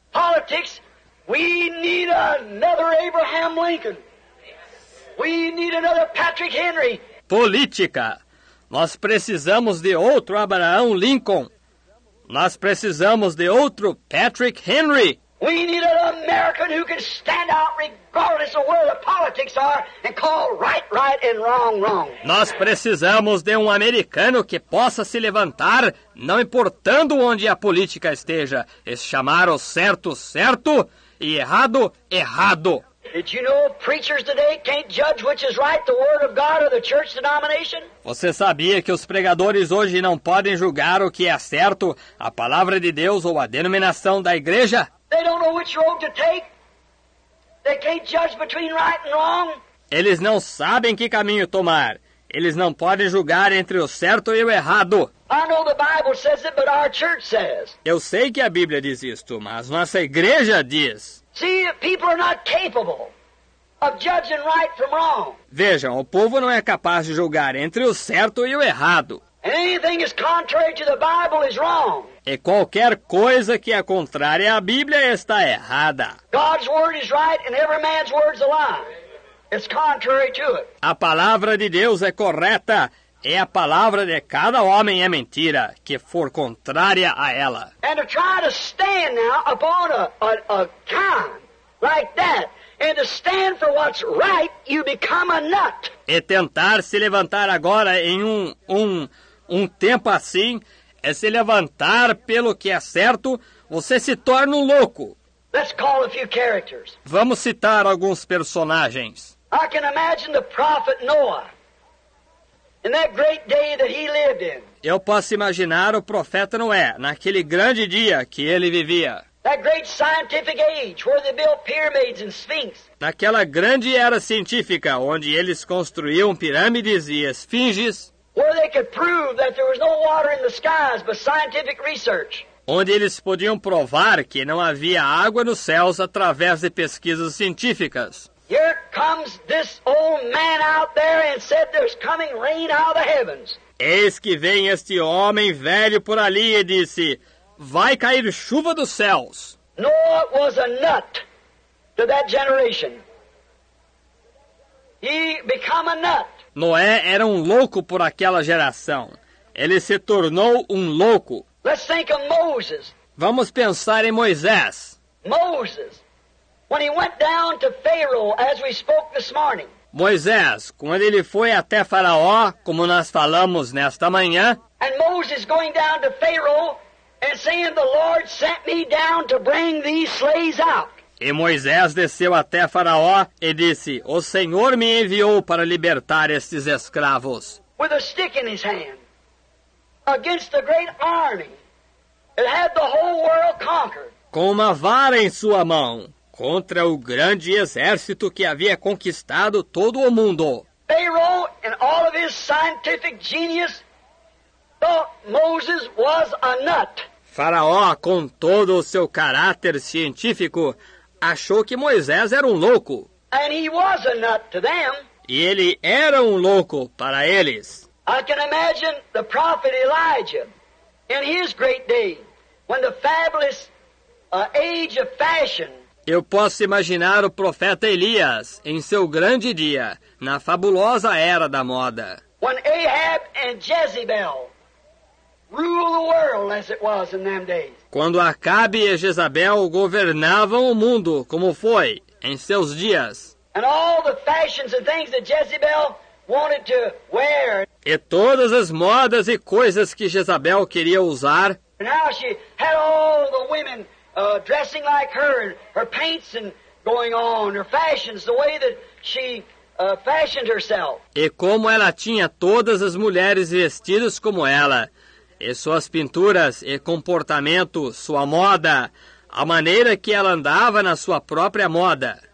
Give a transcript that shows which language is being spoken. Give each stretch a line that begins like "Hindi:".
English: Politics, we need another Abraham Lincoln. We need another Patrick Henry.
Portuguese: Política. Nós precisamos de outro Abraão Lincoln. Nós precisamos de outro Patrick Henry.
English: We need an American who can stand out regardless of where the politics are and call right, right and wrong, wrong.
Portuguese: Nós precisamos de um americano que possa se levantar, não importando onde a política esteja, e chamar o certo, certo e errado, errado.
English: Did you know preachers today can't judge which is right, the word of God or the church denomination?
Portuguese: Você sabia que os pregadores hoje não podem julgar o que é certo, a palavra de Deus ou a denominação da igreja?
English: They don't know which road to take. They can't judge between right and wrong.
Portuguese: Eles não sabem que caminho tomar. Eles não podem julgar entre o certo e o errado.
English: I know the Bible says it, but our church says.
Portuguese: Eu sei que a Bíblia diz isto, mas nossa igreja diz.
English: See, people are not capable of judging right from wrong.
Portuguese: Vejam, o povo não é capaz de julgar entre o certo e o errado.
English: Anything is contrary to the Bible is wrong.
Portuguese: E qualquer coisa que é contrária à Bíblia está errada.
English: God's word is right and every man's word's a lie. It's contrary to it.
Portuguese: A palavra de Deus é correta e a palavra de cada homem é mentira que for contrária a ela.
English: And to try to stand now upon a time like that. And to stand for what's right, you become a nut.
Portuguese: E tentar se levantar agora em um tempo assim, é se levantar pelo que é certo, você se torna um louco.
English: Let's call a few characters.
Portuguese: Vamos citar alguns personagens.
English: I can imagine the prophet Noah in that great day that he lived in.
Portuguese: Eu posso imaginar o profeta Noé naquele grande dia que ele vivia.
English: That great scientific age where they built pyramids and sphinx.
Portuguese: Naquela grande era científica onde eles construíam pirâmides e esfinges.
English: Where they could prove that there was no water in the skies but scientific research.
Portuguese: Onde eles podiam provar que não havia água nos céus através de pesquisas científicas.
English: Here comes this old man out there and said there's coming rain out of the heavens.
Portuguese: Eis que vem este homem velho por ali e disse: vai cair chuva dos céus.
English: Noah was a nut to that generation. He became a nut.
Portuguese: Noé era um louco por aquela geração. Ele se tornou um louco.
English: Let's think of Moses.
Portuguese: Vamos pensar em Moisés.
English: Moses, when he went down to Pharaoh, as we spoke this morning.
Portuguese: Moisés, quando ele foi até Faraó, como nós falamos nesta manhã.
English: And Moses going down to Pharaoh. And saying, the Lord sent me down to bring these slaves out.
Portuguese: E Moisés desceu até Faraó e disse, o Senhor me enviou para libertar estes escravos.
English: With a stick in his hand. Against the great army. It had the whole world conquered.
Portuguese: Com uma vara em sua mão. Contra o grande exército que havia conquistado todo o mundo.
English: Pharaoh and all of his scientific genius. Moses was a nut.
Portuguese: Faraó, com todo o seu caráter científico, achou que Moisés era um louco.
English: And he was a nut to them.
Portuguese: E ele era um louco para eles.
English: I can imagine the prophet Elijah in his great day when the fabulous age of fashion.
Portuguese: Eu posso imaginar o profeta Elias em seu grande dia, na fabulosa era da moda.
English: When Ahab and Jezebel rule the world as it was in them days.
Portuguese: Quando Acabe e Jezabel governavam o mundo, como foi em seus dias.
English: And all the fashions and things that Jezebel wanted to wear.
Portuguese: E todas as modas e coisas que Jezabel queria usar.
English: And how she had all the women dressing like her and her paints and going on, her fashions, the way that she fashioned herself.
Portuguese: E como ela tinha todas as mulheres vestidas como ela. e suas pinturas e comportamento, sua moda, a maneira que ela andava na sua própria moda.